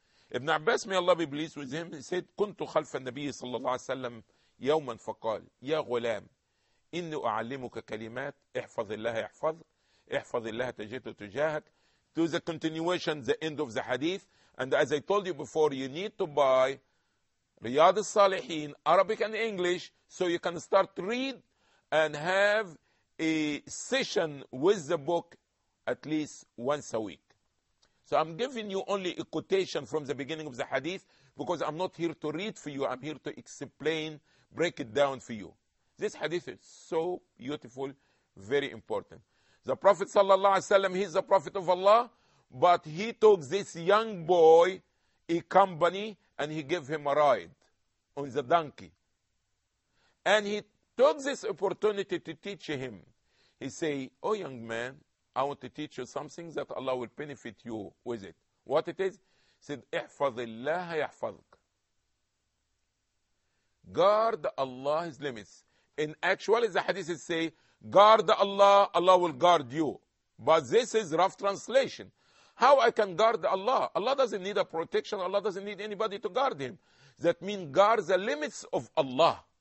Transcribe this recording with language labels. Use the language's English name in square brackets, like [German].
[Arabic] Ibn Abbas, [English] may Allah be pleased with him, he said, [Arabic] كُنْتُ خَلْفَ النَّبِيِّ صَلَّى اللَّهُ عَلَيْهِ وَسَلَّمْ يَوْمًا فَقَالْ يَا غُلَامْ إِنِّي أُعَلِّمُكَ كَلِمَاتِ احْفَظِ اللَّهَ يَحْفَظُ احْفَظِ اللَّهَ تَجِدُ تُجَاهَكَ. [English] To the continuation, the end of the hadith. And as I told you before, you need to buy Riyad al-Salihin, Arabic and English, so you can start to read and have a session with the book at least once a week. So I'm giving you only a quotation from the beginning of the hadith, because I'm not here to read for you. I'm here to explain, break it down for you. This hadith is so beautiful, very important. The Prophet sallallahu alaihi wasallam, he's the Prophet of Allah, but he took this young boy a company and he gave him a ride on the donkey. And he took this opportunity to teach him. He say, oh young man, I want to teach you something that Allah will benefit you with it. What it is? He said, [Arabic] احفظ الله يحفظك. [English] Guard Allah's limits. In actual, the hadith is say, guard Allah, Allah will guard you. But this is rough translation. How I can guard Allah? Allah doesn't need a protection. Allah doesn't need anybody to guard him. That means guard the limits of Allah.